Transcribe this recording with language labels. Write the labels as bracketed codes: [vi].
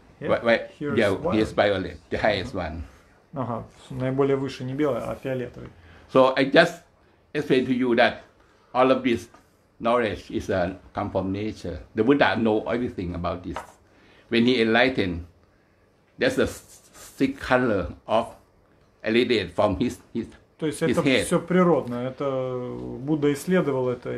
[en] Yes, violet, the highest one. [ru] Ага, наиболее выше не белый, а фиолетовый. [en] So I just explain to you that all of this knowledge is come from nature. The Buddha know everything about this. When he enlightened, that's the six color of radiated from his head. [ru] То есть это все природно. Это Будда исследовал это.